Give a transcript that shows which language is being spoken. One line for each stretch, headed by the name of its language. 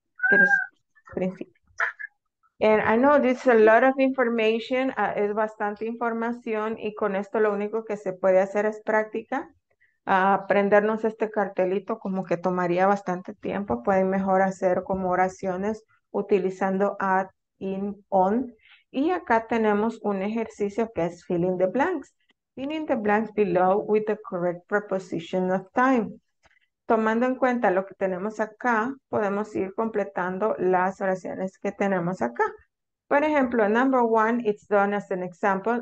Spanish: Que es principio.
English: And I know this is a lot of information,
Spanish: es bastante información, y con esto lo único que se puede hacer es práctica. Aprendernos este cartelito como que tomaría bastante tiempo. Pueden mejor hacer como oraciones utilizando at, in, on. Y acá tenemos un ejercicio que es
English: fill in the blanks. Fill in the blanks below with the correct preposition of time.
Spanish: Tomando en cuenta lo que tenemos acá, podemos ir completando las oraciones que tenemos acá. Por ejemplo,
English: number one, it's done as an example.